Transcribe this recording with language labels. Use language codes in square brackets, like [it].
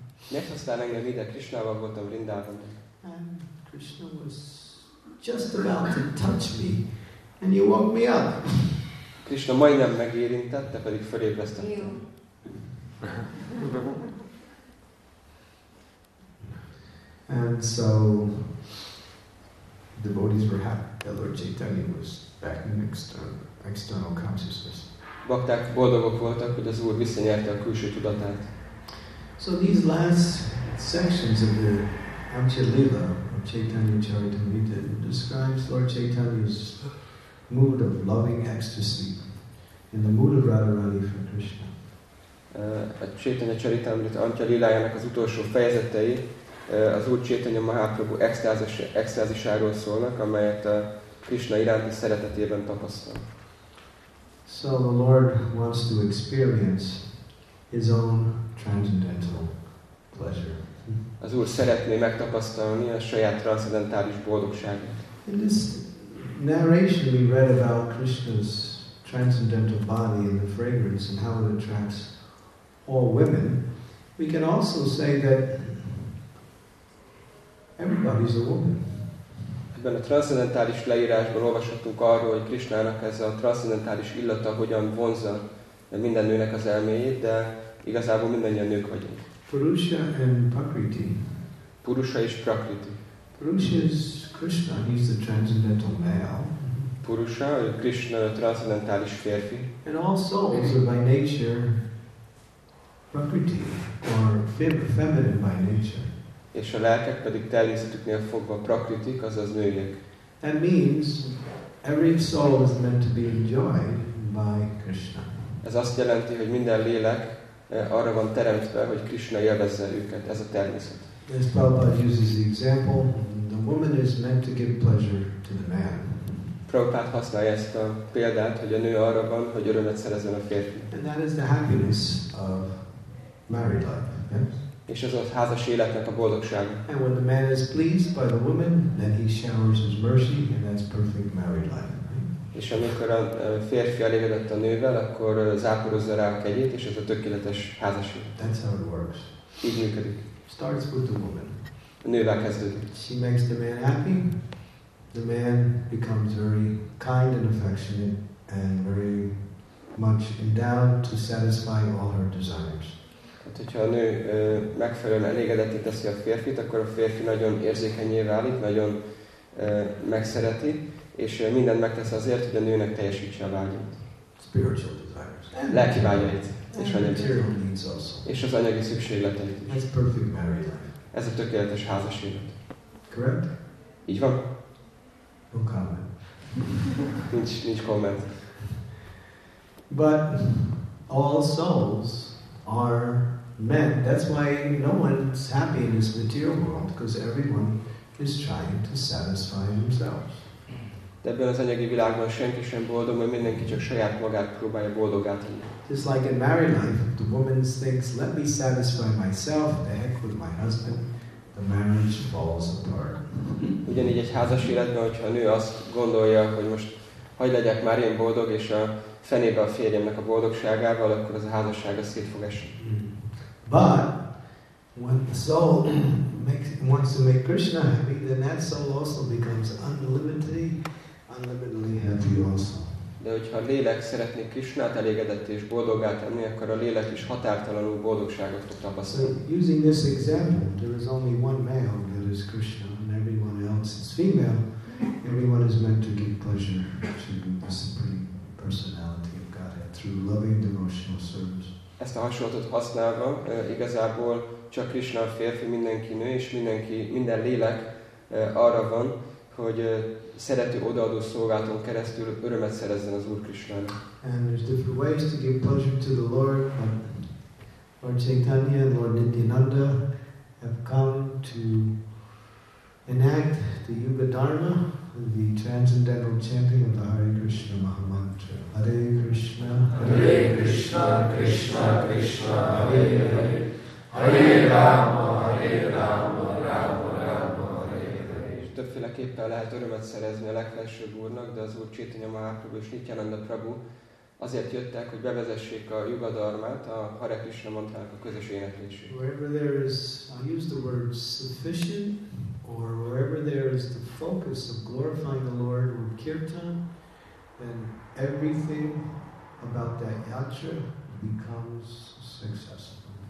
[hu] Miért hoztál engem ide? Krishnával voltam Vrindában. [en] And Krishna was just about to touch me. And you woke me up. [hu] Krishna majdnem megérintett, te pedig felébresztett. [en] And so the devotees were happy that Lord Chaitanya was back in external consciousness. [hu] Bakták boldogok voltak, hogy az Úr visszanyerte a külső tudatát. [en] So these last sections of the Amchalila of Chaitanya Charitamrita describes Lord Chaitanya's mood of loving ecstasy in the mood of Radharani for Krishna. [hu] A Chaitanya Charitamrita Antya Lilájának az utolsó fejezetei az Úr Chaitanya Mahaprabhu extázisáról szólnak, amelyet Krishna iránti szeretetében tapasztal. [en] So the Lord wants to experience his own transcendental pleasure. [hu] Az Úr szeretné megtapasztalni a saját transzendentális boldogságot. [en] Narration we read about Krishna's transcendental body and the fragrance and how it attracts all women. We can also say that everybody's a woman. [hu] Ebben a transzendentális leírásban olvashatunk arról, hogy Krishnának ez a transzendentális illata hogyan vonzza minden nőnek az elméjét, de igazából mindannyian nők vagyunk. [en] Purusha and Prakriti. [hu] Purusha és Prakriti. [en] Purusha is Krishna, he's the transcendental male. [hu] Purusha, Krishna, a transzendentális férfi. [en] And all souls are by nature prakriti, or feminine by nature. [hu] És a lelkek pedig természetüknél fogva prakritik, azaz nőiek. [en] That means every soul is meant to be enjoyed by Krishna. [hu] Ez azt jelenti, hogy minden lélek arra van teremtve, hogy Krishna élvezze őket, ez a természet. [en] As Prabhupada uses the example, the woman is meant to give pleasure to the man. [hu] Prabhupada használja ezt a példát, hogy a nő arra van, hogy örömet szerezzen a férfi. [en] And that is the happiness of married life. Yes? [hu] És ez a házas életnek a boldogság. [en] And when the man is pleased by the woman, then he showers his mercy, and that's perfect married life. [hu] És amikor a férfi elégedett a nővel, akkor záporozza rá a kegyét, és ez a tökéletes házas élet. [en] That's how it works. [hu] Így működik. [en] Starts with the woman. [hu] A nővel kezdődik. [en] She makes the man happy. The man becomes very kind and affectionate and very much endowed to satisfy all her desires. [hu] Hát, hogyha a nő megfelelően elégedetté teszi a férfit, akkor a férfi nagyon érzékenyé válik, nagyon megszereti, és mindent megtesz azért, hogy a nőnek teljesítse a vágyait. [en] Spiritual desires. [hu] Lelki vágyait. És anyagi [en] material needs also. [hu] És az anyagi szükségleteit is. [en] That's perfect married life. [hu] Ez a tökéletes házas élet. [en] Correct? [hu] Így van? [en] No comment. [hu] nincs comment. [en] But all souls are meant. That's why no one's happy in this material world, because everyone is trying to satisfy themselves. [hu] De ebben az anyagi világban senki sem boldog, mert mindenki csak saját magát próbálja boldoggá tenni. [en] Just like in married life, the woman thinks, let me satisfy myself, the heck with my husband, the marriage falls apart. [hu] Ugyanígy egy házas életben, hogyha a nő azt gondolja, hogy most hagy legyek már én boldog, és a fenébe a férjemnek a boldogságával, akkor az a házassága szét fog esni. [en] But when the soul wants to make Krishna happy, then that soul also becomes unlimitedly happy also. [hu] De hogyha a lélek szeretné Krishnát elégedetté és boldoggá tenni, akkor a lélek is határtalanul boldogságot fog tapasztalni. [en] So using this example, there is only one male that is Krishna, and everyone else is female. Everyone is meant to give pleasure to the Supreme Personality of Godhead through loving devotional service. [hu] Ezt a hasonlatot használva, igazából csak Krishna a férfi, mindenki nő, és mindenki, minden lélek arra van, hogy szerető odaadó szolgálaton keresztül örömet szerezzen az Úr Krishnának. [en] And there's different ways to give pleasure to the Lord. Lord Chaitanya and Lord Nityananda have come to enact the Yuga Dharma, the transcendental chanting of the Hare Krishna Mahamantra. Hare Krishna, Hare Krishna, Krishna Krishna, Hare Hare, Hare Rama, Hare Rama, Rama Rama, Hare Hare. [hu] És többféleképpen lehet örömet szerezni a legfelsőbb úrnak, de az Úr Chaitanya Mahaprabhu és Nityananda Prabhu azért jöttek, hogy bevezessék a Yuga Dharmát, a Hare Krishna mantrának a közös éneklését. [en] Wherever there is, I use the word sufficient, or wherever there is the focus of glorifying the Lord with kirtan, then everything about that yatra becomes successful.